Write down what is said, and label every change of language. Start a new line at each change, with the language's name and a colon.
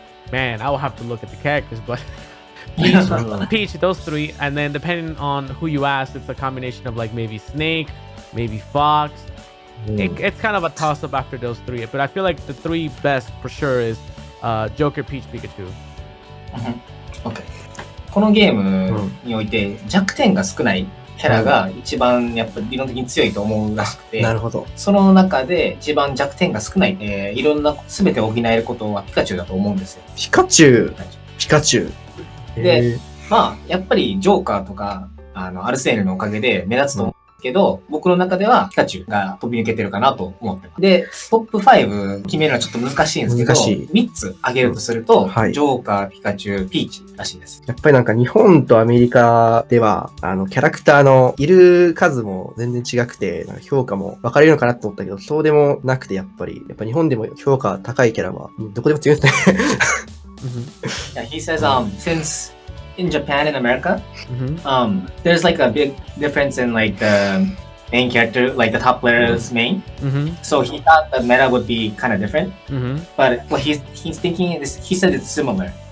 English: Man, I will have to look at the characters, but Peach, those three. And then depending on who you ask, it's a combination of like maybe Snake, maybe Fox. It's kind of a toss up after those three. But I feel like the three best for sure is Joker, Peach, Pikachu. Okay.
Japanese: このゲームにおいて弱点が少ないキャラが一番やっぱ理論的に強いと思うらしくて、なるほど、その中で一番弱点が少ない、いろんな全て補えることはピカチュウだと思うんですよ。ピカチュウで、まあやっぱりジョーカーとかアルセーヌのおかげで目立つと思うけど、僕の中ではピカチュウが飛び抜けてるかなと思ってます。でトップ5決めるのはちょっと難しいんですけど、難しい、 3つ挙げるとすると、はい、ジョーカー、ピカチュウ、ピーチらしいです。やっぱりなんか日本とアメリカではキャラクターのいる数も全然違くて、なんか評価も分かれるのかなと思ったけど、そうでもなくて、やっぱ日本でも評価高いキャラはどこでも強いですね。
English: Yeah, he says, since in Japan and America, there's like a big difference in like the main character, like the top player's main. So he thought the meta would be kind of different. But what he's thinking is, he said it's similar.